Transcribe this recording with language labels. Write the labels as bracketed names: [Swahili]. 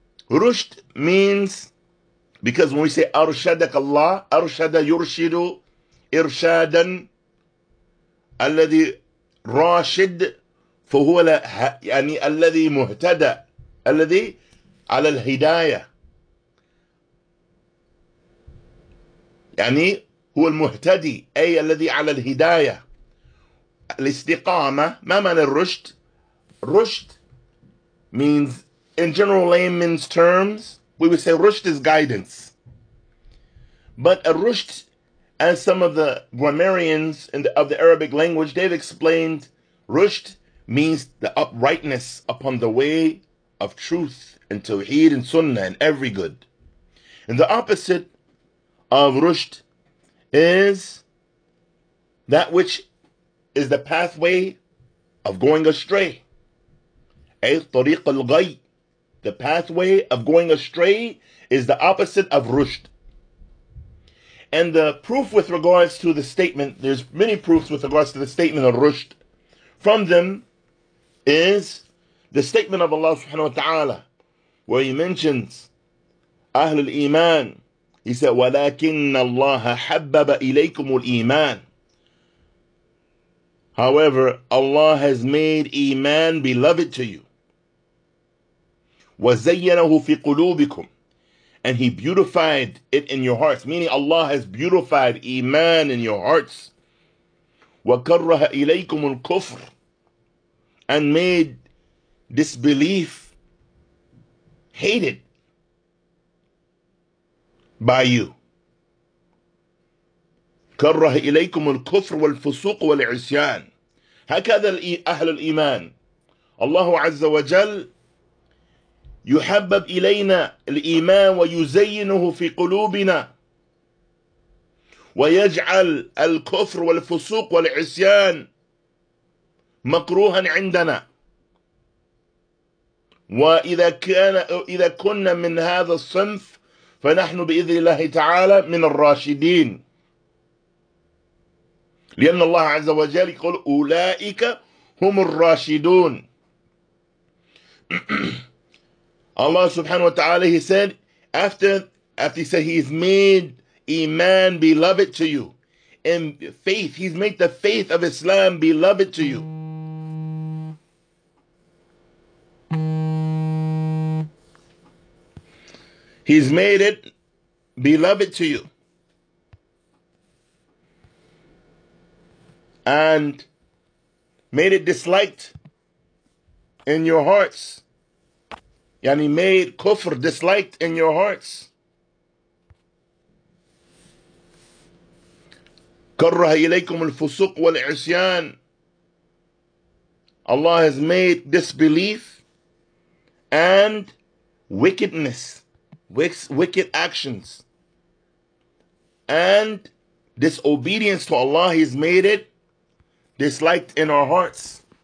[English] Rushd means, because when we say [Arabic] أرشدك الله, أرشد يرشد إرشادا الذي راشد فهو يعني الذي مهتدى, الذي على الهداية, يعني هو المهتدي أي الذي على الهداية. الاستقامة, ما معنى الرشد؟ [English] رشد means, in general layman's terms, we would say رشد is guidance. But الرشد, as some of the grammarians of the Arabic language, they've explained, رشد means the uprightness upon the way of truth and tawheed and sunnah and every good. And the opposite of رشد is that which is the pathway of going astray. [Arabic] أي طريق الغي. [English] The pathway of going astray is the opposite of رشد. And the proof with regards to the statement, there's many proofs with regards to the statement of رشد. From them is the statement of Allah subhanahu wa ta'ala, where He mentions [Arabic] أهل الإيمان. [English] He said, [Arabic] وَلَكِنَّ اللَّهَ حَبَّبَ إِلَيْكُمُ الْإِيمَانِ. [English] However, Allah has made Iman beloved to you. [Arabic] وَزَيَّنَهُ فِي قُلُوبِكُمْ. [English] And He beautified it in your hearts, meaning Allah has beautified Iman in your hearts. [Arabic] وَكَرَّهَ إِلَيْكُمُ الْكُفْرِ. [English] and made disbelief hated by you. [Arabic] كره إليكم الكفر والفسوق والعصيان. هكذا أهل الإيمان. الله عز وجل يحبب إلينا الإيمان ويزينه في قلوبنا ويجعل الكفر والفسوق والعصيان مكروها عندنا. وإذا كان إذا كنا من هذا الصنف فنحن بإذن الله تعالى من الراشدين. لأن الله عز وجل يقول أولئك هم الراشدون. [English] Allah subhanahu wa ta'ala, he said, after he said he's made iman beloved to you, and faith, he's made the faith of Islam beloved to you. He's made it beloved to you. And made it disliked in your hearts. Yani made kufr disliked in your hearts. [Arabic] كره إليكم الفسوق والعصيان. [English] Allah has made disbelief and wickedness, wicked actions, and disobedience to Allah, He's made it disliked in our hearts.